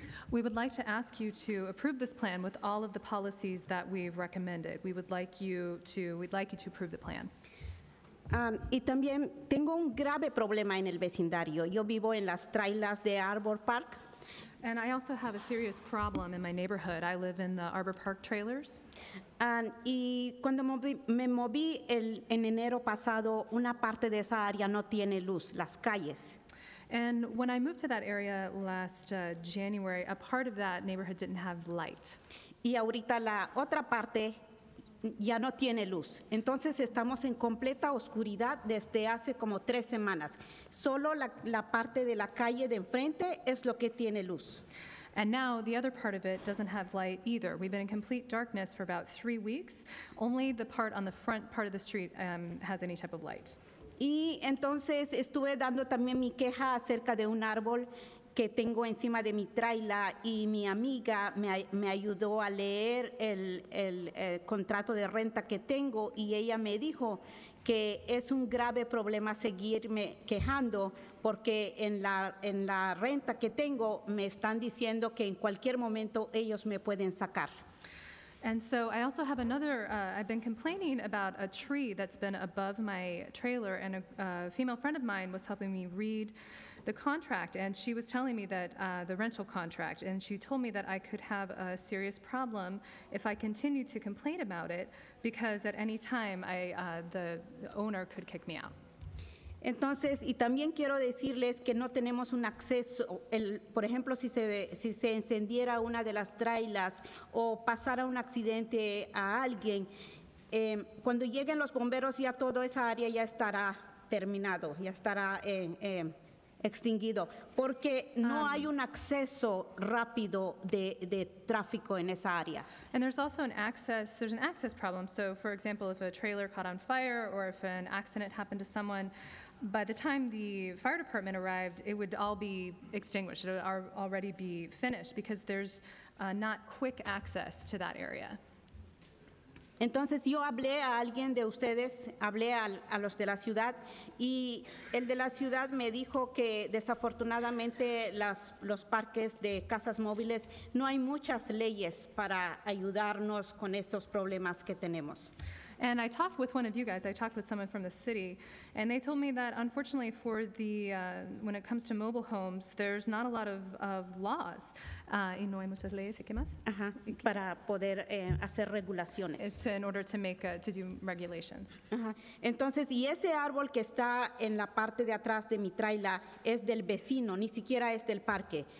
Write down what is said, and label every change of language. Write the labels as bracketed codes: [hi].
[en] We would like to ask you to approve this plan with all of the policies that we've recommended. We'd like you to approve the plan. [es] Y también tengo un grave problema en el vecindario. Yo vivo en las trailas de Arbor Park. [en] And I also have a serious problem in my neighborhood. I live in the Arbor Park trailers. [es] Y cuando me moví en enero pasado, una parte de esa área no tiene luz, las calles. [en] And when I moved to that area last January, a part of that neighborhood didn't have light. [es] Y ahorita la otra parte ya no tiene luz. Entonces estamos en completa oscuridad desde hace como tres semanas. Solo la parte de la calle de enfrente es lo que tiene luz. [en] And now the other part of it doesn't have light either. We've been in complete darkness for about 3 weeks. Only the part on the front part of the street has any type of light. [es] Y entonces estuve dando también mi queja acerca de un árbol que tengo encima de mi traila, y mi amiga me ayudó a leer el contrato de renta que tengo, y ella me dijo que es un grave problema seguirme quejando porque en la renta que tengo me están diciendo que en cualquier momento ellos me pueden sacar. [en] And so I also have another, I've been complaining about a tree that's been above my trailer, and a female friend of mine was helping me read the contract, and she was telling me that, the rental contract, and she told me that I could have a serious problem if I continue to complain about it, because at any time the owner could kick me out. [es] Entonces, y también quiero decirles que no tenemos un acceso, por ejemplo, si se encendiera una de las trailas o pasara un accidente a alguien, cuando lleguen los bomberos ya toda esa área ya estará terminado, ya estará extinguido, porque no hay un acceso rápido de tráfico en esa área. [en] And there's also an access problem. So, for example, if a trailer caught on fire or if an accident happened to someone, by the time the fire department arrived, it would all be extinguished. It would already be finished because there's not quick access to that area. [es] Entonces, yo hablé a alguien de ustedes, hablé a los de la ciudad, y el de la ciudad me dijo que desafortunadamente los parques de casas móviles no hay muchas leyes para ayudarnos con estos problemas que tenemos. [en] And I talked with one of you guys. I talked with someone from the city, and they told me that unfortunately for the when it comes to mobile homes, there's not a lot of laws. [es] Y no hay muchas leyes, ¿qué más? Ajá, para poder hacer regulaciones. [en] It's in order to make to do regulations. [es] Ajá. Entonces, y ese árbol que está en la parte de atrás de mi traila es del vecino, ni siquiera es del parque.